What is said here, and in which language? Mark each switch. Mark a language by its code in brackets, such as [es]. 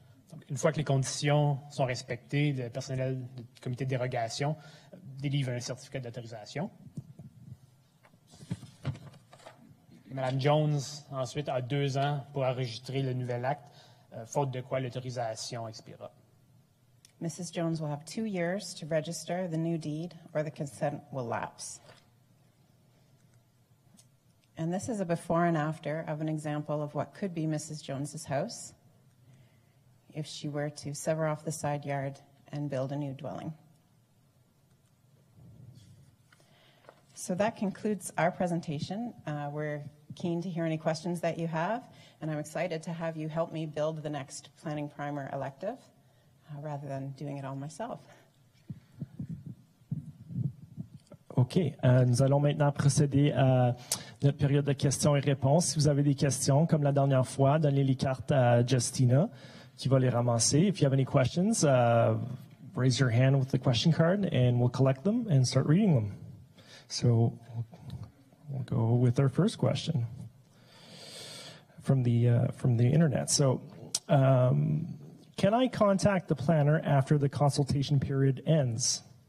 [fr] Donc, une fois que les conditions sont respectées, le personnel du comité de dérogation délivre un certificat d'autorisation. Madame Jones, ensuite, a 2 ans pour enregistrer le nouvel acte, faute de quoi l'autorisation expirera. [en] Mrs. Jones will have 2 years to register the new deed or the consent will lapse. And this is a before and after of an example of what could be Mrs. Jones's house if she were to sever off the side yard and build a new dwelling. So that concludes our presentation. We're keen to hear any questions that you have, and I'm excited to have you help me build the next planning primer elective. Rather than doing it all myself. OK. [fr] Nous allons maintenant procéder à notre période de questions et réponses. Si vous avez des questions, comme la dernière fois, donnez les cartes à Justina, qui va les ramasser. [en] If you have any questions, raise your hand with the question card, and we'll collect them and start reading them. So we'll go with our first question from the internet. So. Can I contact the planner after the consultation period ends?